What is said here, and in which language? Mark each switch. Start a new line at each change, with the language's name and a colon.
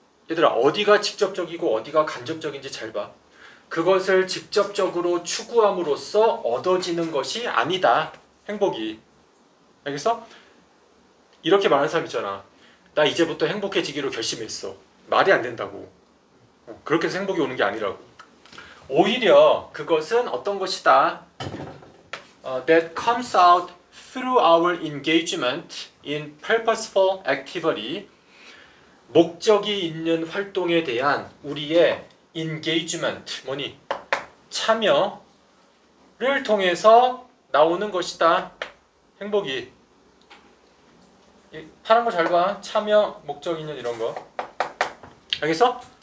Korean: 얘들아, 어디가 직접적이고 어디가 간접적인지 잘 봐. 그것을 직접적으로 추구함으로써 얻어지는 것이 아니다. 행복이. 알겠어? 이렇게 말하는 사람 있잖아. 나 이제부터 행복해지기로 결심했어. 말이 안 된다고. 그렇게 해서 행복이 오는 게 아니라고. 오히려 그것은 어떤 것이다?
English: That comes out through our engagement in purposeful activity.
Korean: 목적이 있는 활동에 대한 우리의 engagement, 뭐니? 참여를 통해서 나오는 것이다. 행복이. 파란 거 잘 봐. 참여, 목적 있는 이런 거. 알겠어?